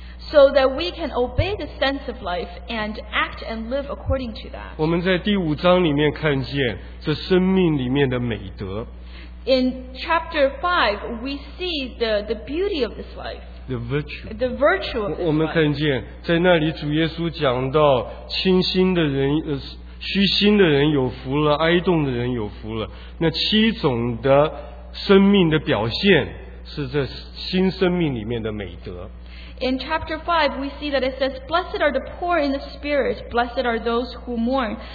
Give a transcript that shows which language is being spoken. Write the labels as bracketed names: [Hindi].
[English] So that we can obey the sense of life and act and live according to that. [Chinese] 我们在第五章里面看见这生命里面的美德。 [English] In chapter 5, we see the beauty of this life. The virtue. The virtue of this life. [Chinese] 我们看见在那里主耶稣讲到清心的人，虚心的人有福了，哀动的人有福了。那七种的生命的表现是这新生命里面的美德。 [English] In chapter 5, we see that it says, Blessed are the poor in the spirit, blessed are those who mourn.